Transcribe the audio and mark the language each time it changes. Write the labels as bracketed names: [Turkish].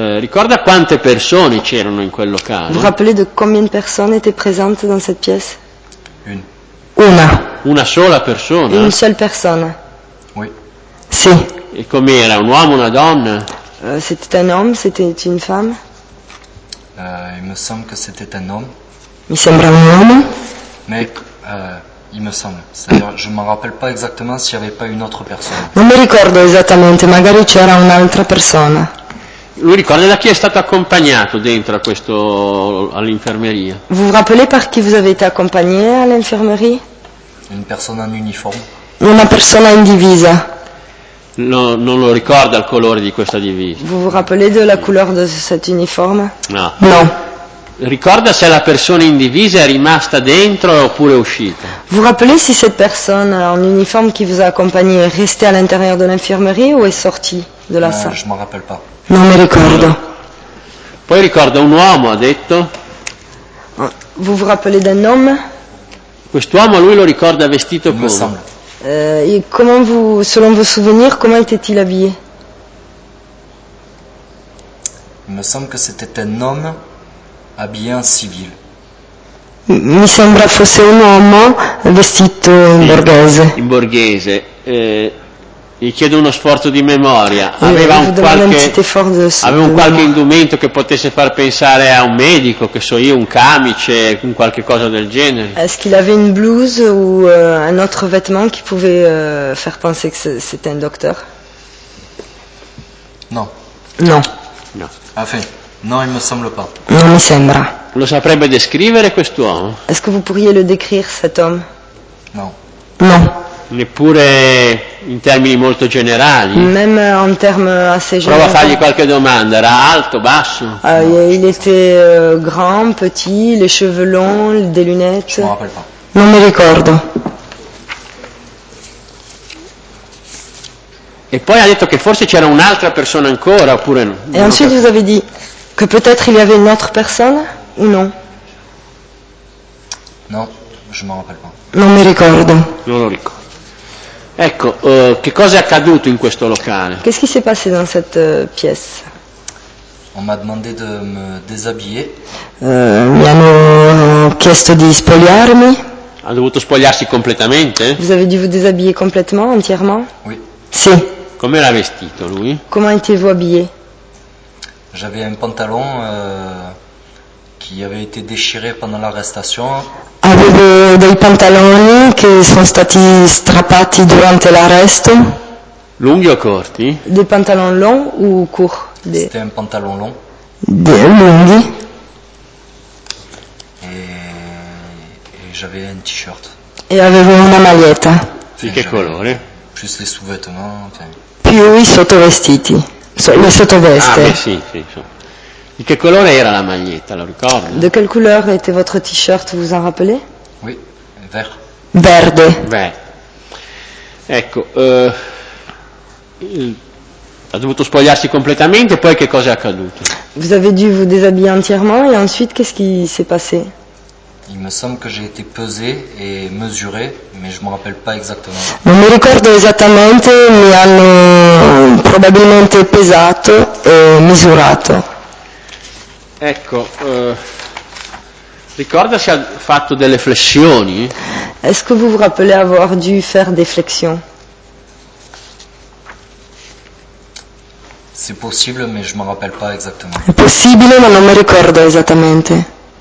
[Italian] Ricorda quante persone c'erano in quel locale? [French] Vous rappelez de combien de personnes étaient présentes dans cette pièce? Une. [Italian] Una. Una sola persona? [French] Une seule personne. Oui. [Italian] Sì. E com'era? Un uomo, una donna? [French] C'était un homme, c'était une femme. Il me semble que c'était un homme. [Italian] Mi sembra un uomo. [French] Mais, il me semble. C'est-à-dire, je ne me rappelle pas exactement s'il n'y avait pas une autre personne. [Italian] Non mi ricordo esattamente, magari c'era un'altra persona. Lui ricorda da chi è stato accompagnato dentro a questo, all'infermeria? [French] Vous vous rappelez par qui vous avez été accompagné à l'infirmerie? Une personne en uniforme. [Italian] Una persona in divisa. No, non lo ricorda il colore di questa divisa. [French] Vous vous rappelez de la couleur de cet uniforme? [Italian] No. No. Ricorda se la persona in divisa è rimasta dentro oppure è uscita? [French] Vous vous rappelez si cette personne en uniforme qui vous a accompagné est restée à l'intérieur de l'infirmerie ou est sortie de la salle? Je m'en rappelle pas. [Italian] Non mi ricordo. Poi ricorda un uomo, ha detto. [French] Vous vous rappelez d'un homme? [Italian] Quest'uomo lui lo ricorda vestito come? [French] Et comment vous, selon vos souvenirs, comment était-il habillé? Il me semble que c'était un homme habillé en civil. [Italian] Mi sembra fosse un uomo vestito in borghese. In borghese. Gli chiedo uno sforzo di memoria. Aveva un qualche indumento che potesse far pensare a un medico, che so io, un camice, un qualche cosa del genere. [French] Est-ce qu'il avait une blouse ou un autre vêtement qui pouvait faire penser que c'était un docteur? Non. Non. [Italian] No. [French] Enfin, non, il me semble pas. [Italian] Non mi sembra. Lo saprebbe descrivere quest'uomo? [French] Est-ce que vous pourriez le décrire cet homme? Non. Non. [Italian] Neppure in termini molto generali. [French] Même en termes assez généraux. [Italian] Prova a fargli qualche domanda. Era alto, basso? [French] Il était grand, petit, les cheveux longs, des lunettes. [Italian] Non mi ricordo. E poi ha detto che forse c'era un'altra persona ancora, oppure no? [French] Et ensuite vous avez dit que peut-être il y avait une autre personne ou non? Non, je m'en rappelle pas. [Italian] Non mi ricordo. Non lo ricordo. Ecco, che cosa è accaduto in questo locale? [French] Qu'est-ce qui s'est passé dans cette pièce? On m'a demandé de me déshabiller. [Italian] Mi hanno chiesto di spogliarmi. Ha dovuto spogliarsi completamente? [French] Vous avez dû vous déshabiller complètement, entièrement? Oui. [Italian] Sì. Come era vestito lui? [French] Comment étiez-vous habillé? J'avais un pantalon qui avait été déchiré pendant l'arrestation. [Italian] Avevo dei pantaloni che sono stati strappati durante l'arresto. Lunghi o corti? [French] Des pantalons longs ou courts? C'était un pantalon long. [Italian] Des lunghi. [French] Et j'avais un t-shirt. [Italian] Et avevo una maglietta. Di che colore? [French] Plus les sous-vêtements. [Italian] Più i sottovestiti. La sottoveste. Ah, beh, sì, sì. Di che colore era la maglietta, lo ricordo? [French] De quelle couleur était votre t-shirt, vous en rappelez? Oui, vert. [Italian] Verde. Beh. Ecco, ha dovuto spogliarsi completamente, poi che cosa è accaduto? [French] Vous avez dû vous déshabiller entièrement et ensuite qu'est-ce qui s'est passé? Il me semble que j'ai été pesé et mesuré, mais je me rappelle pas exactement. [Italian] Non mi ricordo esattamente, mi hanno probabilmente pesato e misurato. Ecco, ricorda se ha fatto delle flessioni? [French] Est-ce que vous vous rappelez avoir dû faire des flexions? C'est possible, mais je me rappelle pas exactement. [Italian] È possibile, ma non mi ricordo esattamente.